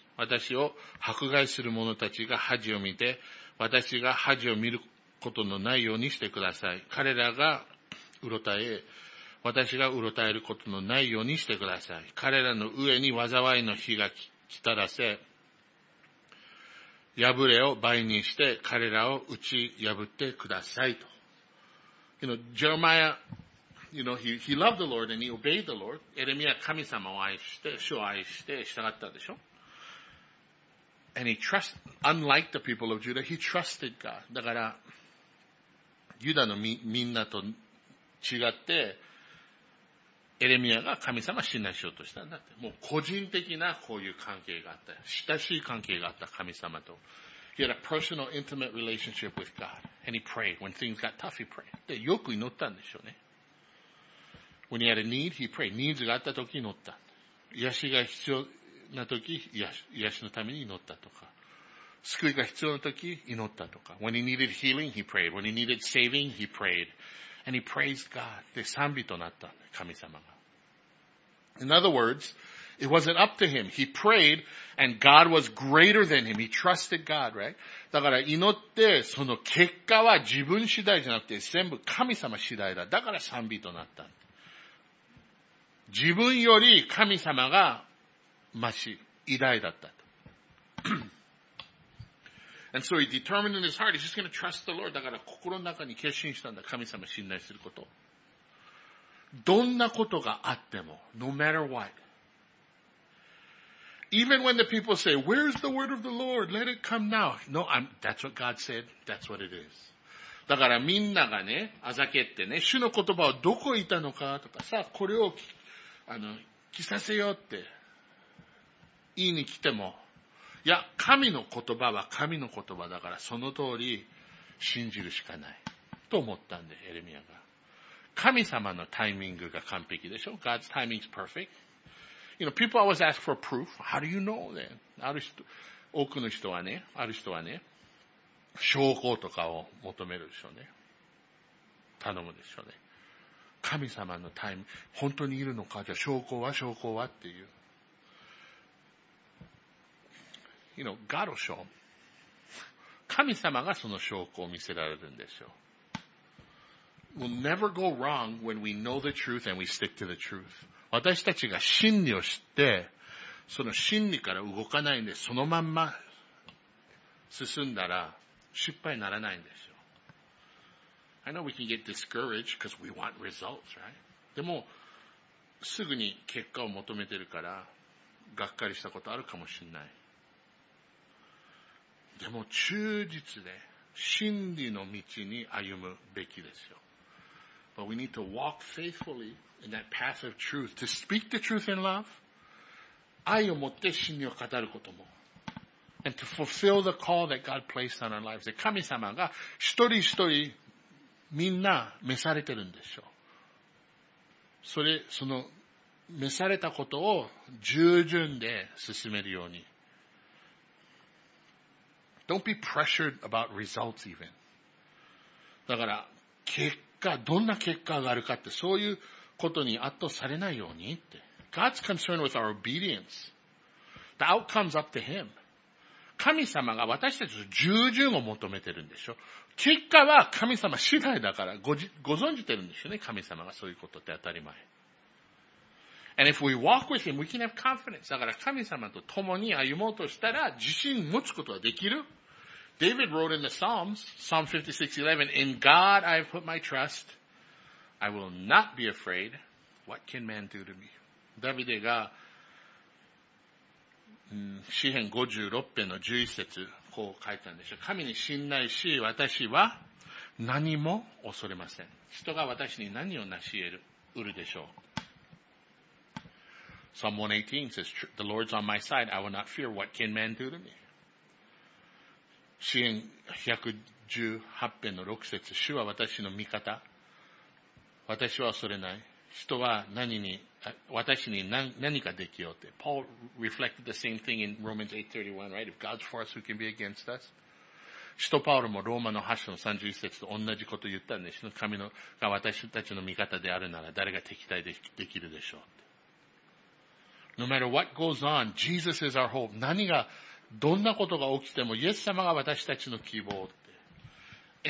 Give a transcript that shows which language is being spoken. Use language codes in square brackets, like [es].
[ja] 私を迫害する者たちが恥を見て、私が恥を見ることのないようにしてください。彼らがうろたえ、私がうろたえることのないようにしてください。彼らの上に災いの火が来たらせ、破れを倍にして彼らを打ち破ってください。と。 [en] You know, Jeremiah, you know, he loved the Lord and he obeyed the Lord. [ja] エレミア神様を愛して、主を愛して従ったでしょ。 [en] And he trust, unlike the people of Judah, he trusted God. [ja] だから、ユダのみんなと違って、エレミアが神様を信頼しようとしたんだって。もう個人的なこういう関係があった。親しい関係があった、神様と。 [en] He had a personal intimate relationship with God. And he prayed. When things got tough, he prayed. [ja] で、よく祈ったんでしょうね。 [en] When he had a need, he prayed. Needs [ja] があった時祈った。癒しが必要な時、癒しのために祈ったとか。救いが必要な時、祈ったとか。 [en] When he needed healing, he prayed. When he needed saving, he prayed. And he praised God. [ja] で、賛美となった。神様が。 [en] In other words, it wasn't up to him. He prayed, and God was greater than him. He trusted God, right? [ja] だから祈って、その結果は自分次第じゃなくて、全部神様次第だ。だから賛美となった。自分より神様が、まし、偉大だったと。 [en] And so he determined in his heart, he's just gonna trust the Lord. [ja] だから心の中に決心したんだ。神様信頼すること。どんなことがあっても、 [en] no matter what. Even when the people say, where's the word of the Lord? Let it come now. No, that's what God said. That's what it is. [ja] だからみんながね、あざけってね、主の言葉をどこいたのかとかさ、これを、聞させようって、言いに来ても、いや、神の言葉は神の言葉だから、その通り、信じるしかない。と思ったんで、エレミアが。神様のタイミングが完璧でしょ ? [en] God's timing is perfect. You know, people always ask for proof. How do you know then? [ja] ある人、多くの人はね、ある人はね、証拠とかを求めるでしょうね。頼むでしょうね。神様のタイミング、本当にいるのかじゃあ証拠は証拠はっていう。 [en] You know, God will show. [ja] 神様がその証拠を見せられるんでしょう。 [en] We'll never go wrong when we know the truth and we stick to the truth. [ja] 私たちが真理を知って、その真理から動かないんで、そのまんま進んだら失敗にならないんですよ。 I know we can get discouraged because we want results, right? でも、すぐに結果を求めてるから、がっかりしたことあるかもしれない。でも、忠実で真理の道に歩むべきですよ。 [en] But we need to walk faithfully in that path of truth. To speak the truth in love. [ja] 愛を持って真理を語ることも。 [en] And to fulfill the call that God placed on our lives. [ja] 神様が一人一人みんな召されてるんでしょう。それ、その召されたことを従順で進めるように。 [en] Don't be pressured about results even. [ja] だから、結果、どんな結果があるかって、そういうことに圧倒されないようにって。 [en] God's concerned with our obedience. The outcome's up to Him. [ja] 神様が私たちの従順を求めてるんでしょ。結果は神様次第だから、ご存じてるんでしょうね。神様がそういうことって当たり前。 [en] And if we walk with Him, we can have confidence. [ja] だから神様と共に歩もうとしたら、自信持つことができる。 [en] David wrote in the Psalms, Psalm 56:11, In God I have put my trust. I will not be afraid. What can man do to me? [ja] ダビデが、詩編56編の11節、こう書いたんでしょ。神に信頼し、私は何も恐れません。人が私に何を成し得るでしょう。 [en] Psalm 118 says, The Lord's on my side. I will not fear. What can man do to me? [ja] 詩編118編の6節、主は私の味方。私は恐れない。人は何に、私に 何かできようって。 [en] Paul reflected the same thing in Romans 8:31, right? If God's for us, who can be against us? [ja] 使徒パウロもローマの8章の31節と同じこと言ったんで、その神のが私たちの味方であるなら誰が敵対できるでしょうって。 [en] No matter what goes on, Jesus is our hope. [ja] 何が、どんなことが起きても、イエス様が私たちの希望って。